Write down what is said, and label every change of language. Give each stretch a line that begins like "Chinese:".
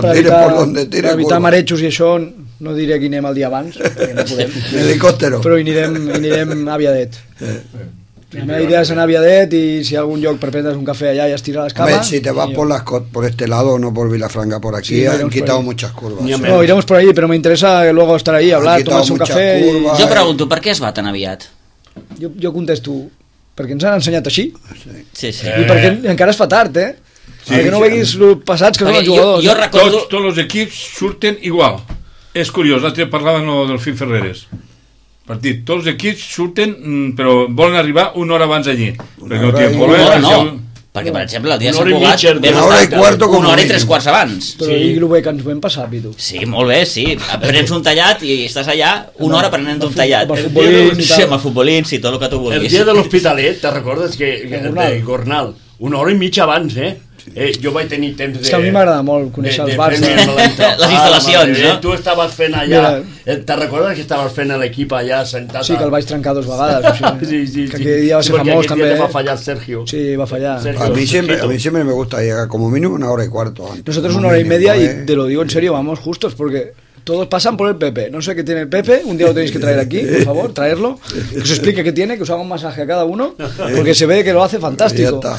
Catalan: Per evitar marejos i això, no diré que anem el dia abans.
Spanish: Helicòptero.
Catalan: Però hi anirem aviadet. La meva idea és anar a Viadet i si hi ha algun lloc per prendre's un cafè allà i estirar les cames.
Spanish: Si te vas por, por este lado o no por Vilafranca, por aquí, sí, han quitado muchas curvas. No, iremos por allí,
Catalan: però m'interessa
Spanish: luego estar allí, hablar, tomar-se un cafè.
Catalan: Jo pregunto, per què es va tan aviat? Jo contesto, perquè ens han ensenyat així. Sí, sí. I perquè encara es fa tard, eh? Sí, perquè no veguis el passat que són els jugadors. Jo recordo... Tots els equips surten igual. És curiós, l'altre parlava del Fim Ferreres. Partit. Tots els equips surten, però volen arribar una hora abans allí. Perquè no, no, no, no. Perquè, per exemple, el dia s'ha jugat una hora i quarto, una hora i tres quarts abans. Però sí. Digui el bé que ens vam passar, Pitu. Sí, molt bé, sí. Prens un tallat i estàs allà una hora prenent un tallat. Amb el futbolín, sí, tot el que tu vulguis. El dia de l'Hospitalet, te recordes que... Gornal. Una hora i mitja abans, eh? Jo vaig tenir temps de... És que a mi m'agrada molt conèixer els bars. Les instal·lacions, no? Tu estaves fent allà... Te'n recordes que estaves fent a l'equip allà sentat? Sí, que el vaig trencar dues vegades. Sí. Que aquell dia va ser famós, també. Aquell dia te va fallar Sergio. Sí, va fallar.
Spanish: A mi sempre me gusta llegar como mínimo una hora y cuarto. Nosotros una hora y media, y te lo digo en serio, vamos justos, porque... Todos pasan por el Pepe. No sé qué tiene el Pepe. Un día lo tenéis que traer aquí, por favor, traerlo. Que os explique qué tiene, que os haga un masaje a cada uno. Porque se ve que lo hace fantástico.